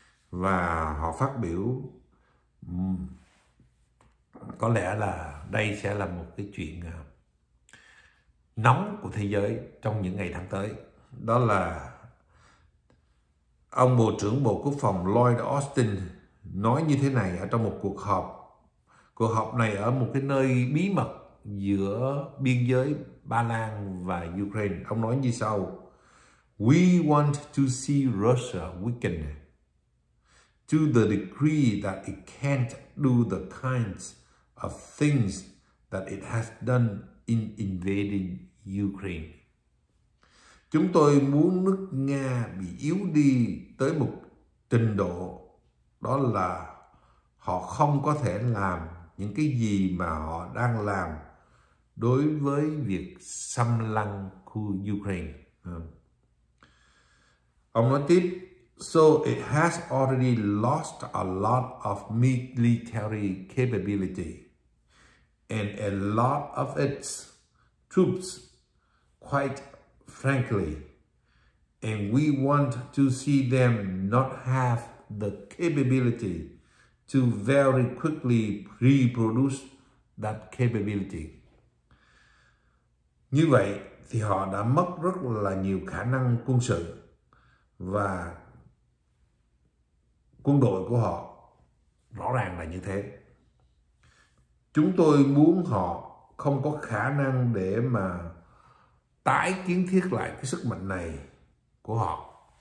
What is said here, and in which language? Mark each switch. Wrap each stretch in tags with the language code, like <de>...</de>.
<vi>Và họ phát biểu, có lẽ là đây sẽ là một cái chuyện nóng của thế giới trong những ngày tháng tới. Đó là ông Bộ trưởng Bộ Quốc phòng Lloyd Austin nói như thế này ở trong một cuộc họp. Cuộc họp này ở một cái nơi bí mật giữa biên giới Ba Lan và Ukraine. Ông nói như sau:</vi> <en>"We want to see Russia weaken to the degree that it can't do the kinds of things that it has done in invading Ukraine."</en> <vi>Chúng tôi muốn nước Nga bị yếu đi tới một trình độ đó là họ không có thể làm những cái gì mà họ đang làm đối với việc xâm lăng khu Ukraine. Ông nói tiếp,</vi> <en>so it has already lost a lot of military capability and a lot of its troops, quite frankly, and we want to see them not have the capability to very quickly reproduce that capability.</en> <vi>Như vậy thì họ đã mất rất là nhiều khả năng quân sự và quân đội của họ rõ ràng là như thế. Chúng tôi muốn họ không có khả năng để mà tái kiến thiết lại cái sức mạnh này của họ.</vi>